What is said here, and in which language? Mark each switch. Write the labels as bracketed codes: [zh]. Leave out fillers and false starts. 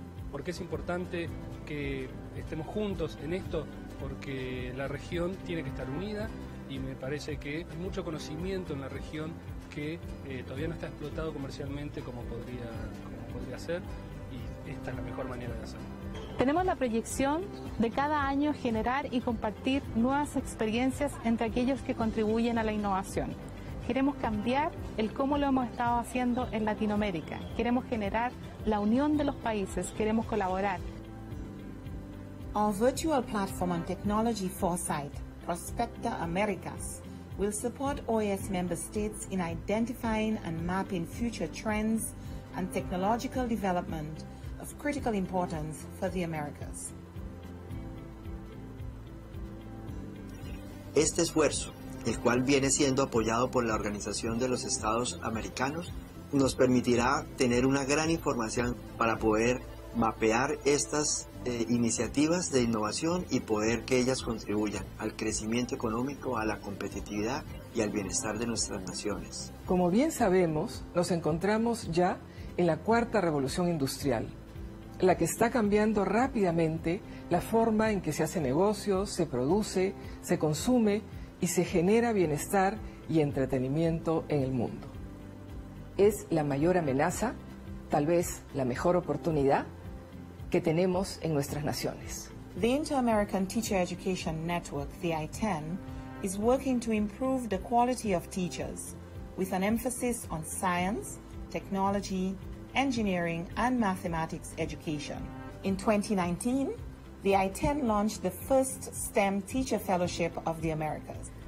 [es] Porque es importante que estemos juntos en esto, porque la región tiene que estar unida y me parece que hay mucho conocimiento en la región que todavía no está explotado comercialmente como podría ser, y esta es la mejor manera de hacerlo. Tenemos la proyección de cada año generar y compartir nuevas experiencias entre aquellos que contribuyen a la innovación. Queremos cambiar el cómo lo hemos estado haciendo en Latinoamérica. Queremos generar la unión de los países. Queremos colaborar. [en] Our virtual platform on technology foresight, Prospecta Americas, will support OAS member states in identifying and mapping future trends and technological development of critical importance for the Americas. [es] Este esfuerzo, el cual viene siendo apoyado por la Organización de los Estados Americanos, nos permitirá tener una gran información para poder mapear estas iniciativas de innovación y poder que ellas contribuyan al crecimiento económico, a la competitividad y al bienestar de nuestras naciones. Como bien sabemos, nos encontramos ya en la cuarta revolución industrial, la que está cambiando rápidamente la forma en que se hace negocios, se produce, se consume y se genera bienestar y entretenimiento en el mundo. Es la mayor amenaza, tal vez la mejor oportunidad, que tenemos en nuestras naciones. [en] The Inter-American Teacher Education Network, the ITEN, is working to improve the quality of teachers with an emphasis on science, technology, engineering, and mathematics education. In 2019, the ITEN launched the first STEM Teacher Fellowship of the Americas.